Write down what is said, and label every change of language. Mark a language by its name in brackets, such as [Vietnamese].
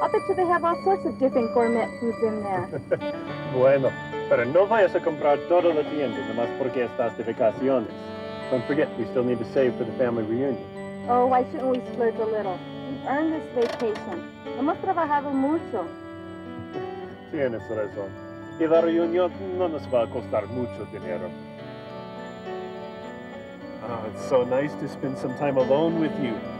[English] They have all sorts of different gourmet foods in there. [Spanish] Bueno, pero no vayas a comprar todo lo tiende, nomás porque estas de vacaciones. [English] Don't forget, we still need to save for the family reunion. Oh, why shouldn't we splurge a little? We've earned this vacation. [Spanish] Hemos trabajado mucho. Tienes razón. Y la reunión no nos va a costar mucho dinero. [English] Oh, it's so nice to spend some time alone with you.